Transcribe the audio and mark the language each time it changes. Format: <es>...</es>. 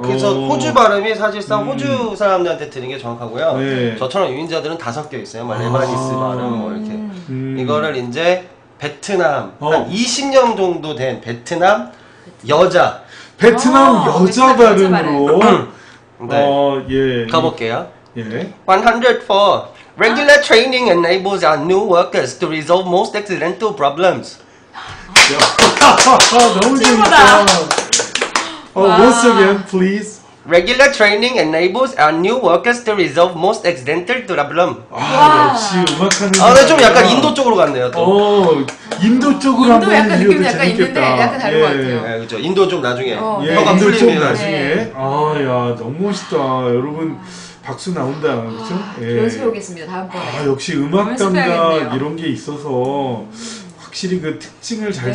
<ko>그래서 호주 발음이 사실상 호주 사람들한테 드는 게 정확하고요. 네. 저처럼 유인자들은 다 섞여 있어요. 막 레바니스 발음 뭐 이렇게 이거를 이제 베트남 한 20년 정도 된 베트남 여자 베트남 여자 발음으로 네. 예. 가볼게요.</ko> <en>100 for regular training enables our new workers to resolve most accidental problems.</en> <ko>너무 재밌다.</ko> <en>Once again, please. Regular training enables our new workers to resolve most accidental problems.</en> <ko>역시 음악하는 아, 좀 약간 인도 쪽으로 갔네요. 또. 인도 쪽으로 한번 해도 재밌겠다. 인도 약간 느낌이 약간 있는데 약간 다른 예. 것 같아요. 네, 그렇죠. 인도 쪽 나중에. 인도 쪽 나중에. 아, 야, 너무 멋있다. 여러분. 박수 나온다, 그렇죠? 예. 연습해보겠습니다, 다음번에. 아, 역시 음악 감각 이런 게 있어서 확실히 그 특징을 잘 네.</ko>